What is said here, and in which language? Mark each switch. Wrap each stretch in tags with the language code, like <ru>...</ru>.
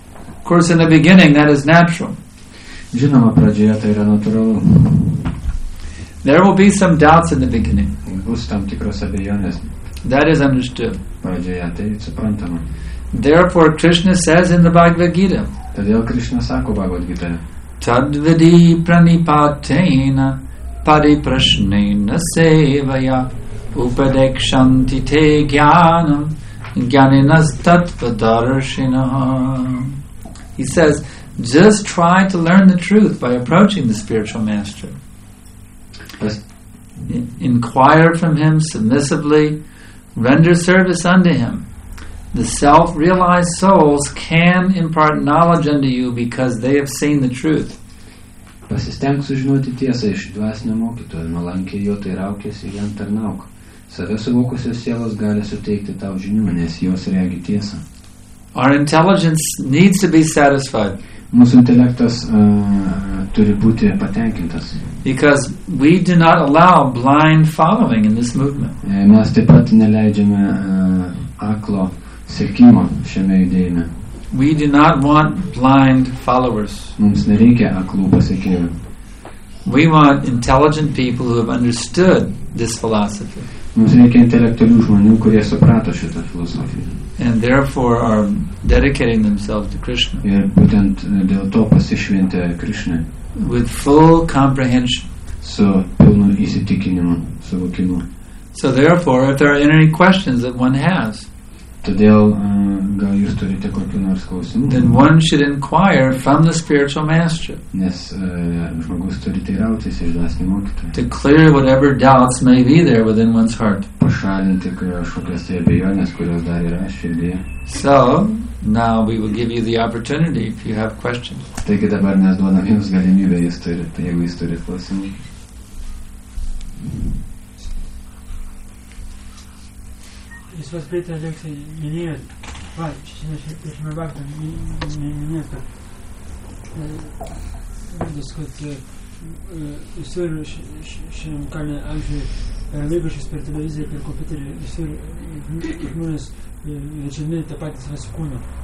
<en>Of course, in the beginning, that is natural.</en> <lt>Žinoma, pradžioje tai yra natūralu.</lt> <en>There will be some doubts in the beginning.</en> <lt>Bus tam tikros abejonės.</lt> <en>That is understood.</en> <lt>Pradžioje tai suprantama.</lt> <en>Therefore, Krishna says in the Bhagavad Gita.</en> <lt>Todėl Krishna sako Bhagavad Gita.</lt> <sa>Tadvidi pranipatena pariprasnena sevaya upadekshanti te jnanam jnaninas tatvadarshinah.</sa> <en>He says, just try to learn the truth by approaching the spiritual master. Inquire from him submissively, render service unto him. The self-realized souls can impart knowledge unto you because they have seen the truth.</en> <lt>Pasistengs sužinoti tiesą iš dvasinio mokytojo, nuolankiai jo teiraukies ir jam tarnauk. Save suvokusios sielos gali suteikti tau žinių, nes jos regi tiesą.</lt> <en>Our intelligence needs to be satisfied.</en> <lt>Mūsų intelektas turi būti patenkintas.</lt> <en>Because we do not allow blind following in this movement.</en> <lt>Mes taip pat neleidžiame aklo sekimo šiame judėjime.</lt> <en>We do not want blind followers.</en> <lt>Mums nereikia aklų pasekėjų.</lt> <en>We want intelligent people who have understood this philosophy.</en> <lt>Mums reikia intelektualių žmonių, kurie suprato šitą filosofiją.</lt> <en>And therefore are dedicating themselves to Krishna.</en> <lt>Ir būtent dėl to pasišventė Krishna.</lt> <en>With full comprehension.</en> <lt>Su pilnu įsitikinimu, suvokimu.</lt> <en>So therefore, if there are any questions that one has,</en> <lt>todėl gal jūs turite kokių nors klausimų,</lt> <en>then one should inquire from the spiritual master.</en> <lt>Nes žmogus turi teirautis iš dvasinio mokytojo.</lt> <en>To clear whatever doubts may be there within one's heart.</en> <lt>Pašalinti kažkokias tai abejonės, kurios dar yra širdyje.</lt> <en>So, now we will give you the opportunity if you have questions.</en> <lt>Taigi dabar mes duodam jums galimybę, jūs turite, jeigu jūs turite klausimų. Jūs vas prieitą lėksą minėjot, iš Mabakto minėto diskutė visur šiandien kalne, apžiūrėjau, per laikrašius, per televiziją, per kompiuterį, visur žmonės vedžiami tą patį savo kūną.</lt>